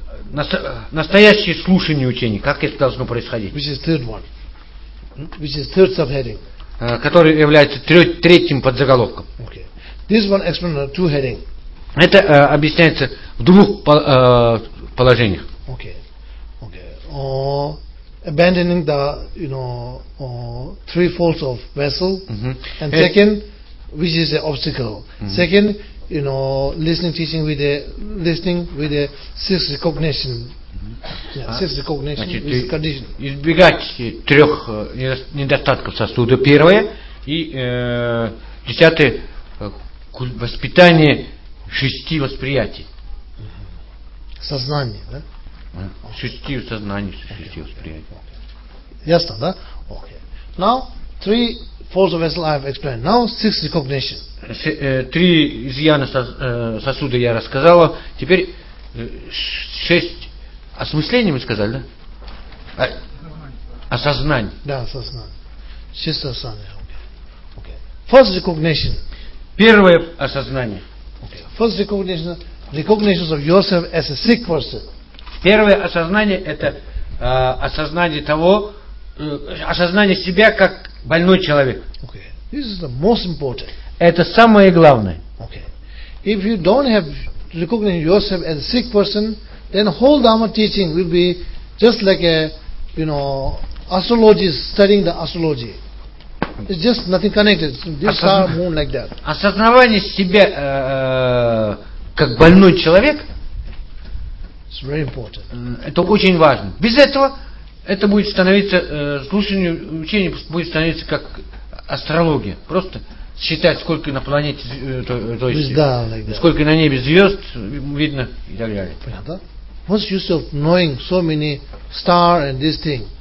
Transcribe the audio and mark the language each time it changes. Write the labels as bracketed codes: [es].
[ru] Настоящее слушание учения, как это должно происходить? [en] Which is third one. Which is third subheading. [ru] Который является третьим подзаголовком. [en] Okay. This one explains under two heading. [ru] Это объясняется в двух положениях. [en] Okay. Okay. Abandoning the, you know, three faults of vessel. And second, which is an obstacle. Second, you know, listening, teaching with the listening with the sixth recognition. [ru] Значит, избегать трех недостатков сосуда. Первое и десятое воспитание шести восприятий. Сознание, да? Шести сознаний, шести восприятий. Ясно, да? [en] Okay. Now three faults of his life explained. Now six recognition. [ru] Три изъяна сосуда я рассказала. Теперь шесть. Осмысление мы сказали, да? Осознание. Да, осознание. Чисто осознание. [en] Okay. First recognition. [ru] Первое осознание. [en] Okay. First recognition. Recognition of yourself as a sick person. [ru] Первое осознание это осознание того, осознание себя как больной человек. [en] Okay. This is the most important. [ru] Это самое главное. [en] Okay. If you don't have recognition yourself as a sick person, then whole Dharma teaching will be just like a, you know, astrologist studying the astrology. It's just nothing connected. This star, moon, like that. [ru] Осознавание себя как больной человек. [en] It's very important. [ru] Это очень важно. Без этого это будет становиться слушание учения будет становиться как астрология. Просто считать сколько на планете то есть звезда, [en] like [ru] сколько на небе звезд видно и так далее. Понятно? [en] What's use of knowing so many star and this thing?